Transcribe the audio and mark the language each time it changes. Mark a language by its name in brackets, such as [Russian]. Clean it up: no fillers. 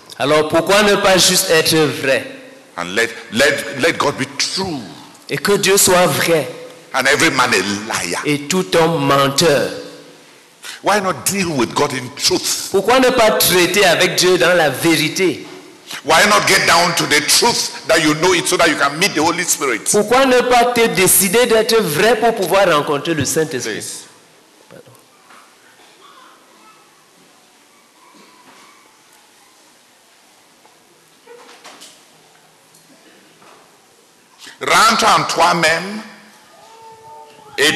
[French] Alors pourquoi ne pas juste être vrai? [English] And let God be true. [French] Et que Dieu soit vrai. [English] And every man a liar. [French] Et tout homme menteur. [English] Why not deal with God in truth? [French] Pourquoi ne pas traiter avec Dieu dans la vérité? [English] Why not get down to the truth that you know it so that you can meet the Holy Spirit? [French] Pourquoi ne pas te décider d'être vrai pour pouvoir rencontrer le Saint-Esprit? [English] Please. Pardon. [French] Rentre en toi-même. Et